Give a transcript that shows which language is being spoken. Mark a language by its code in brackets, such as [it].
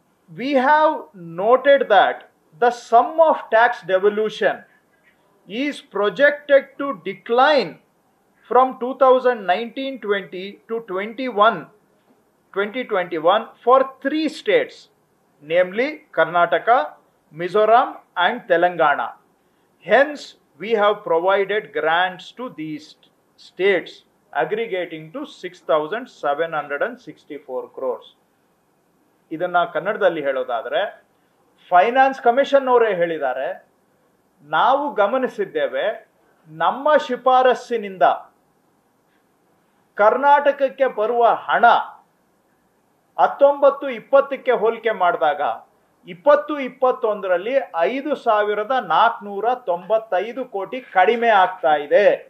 [en] We have noted that the sum of tax devolution is projected to decline from 2019-20 to 2021 for three states, namely Karnataka, Mizoram and Telangana. Hence, we have provided grants to these states aggregating to 6,764 crores. [kn] ಇದನ್ನ ಕನ್ನಡದಲ್ಲಿ ಹೇಳೋದಾದರೆ finance commission ಅವರೇ ಹೇಳಿದ್ದಾರೆ, ನಾವು ಗಮನಿಸಿದ್ದೇವೆ ನಮ್ಮ ಶಿಫಾರಸ್ಸಿನಿಂದ ಕರ್ನಾಟಕಕ್ಕೆ ಬರುವ ಹಣ 19-20 ಹೋಲಿಕೆ ಮಾಡಿದಾಗ 20-21 5,495 crore ಕಡಿಮೆ ಆಗ್ತಾ ಇದೆ.